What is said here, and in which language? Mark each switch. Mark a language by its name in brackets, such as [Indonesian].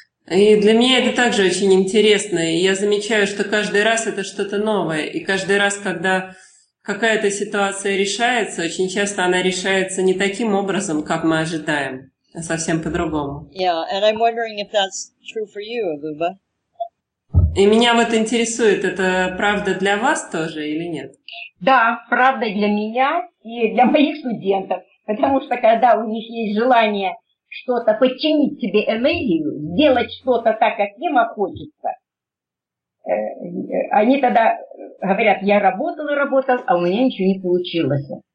[Russian] И для меня это также очень интересно. И я замечаю, что каждый раз это что-то новое. И каждый раз, когда какая-то ситуация решается, очень часто она решается не таким образом, как мы ожидаем. совсем по-другому. [English] Yeah, and I'm wondering if that's true for you, Luba. [Russian] И меня вот интересует, это правда для вас тоже или нет? Да, правда для меня и для моих студентов. Потому что когда у них есть желание что-то подчинить себе энергию, сделать что-то так, как им хочется, они тогда говорят, я работал и работал, а у меня ничего не получилось.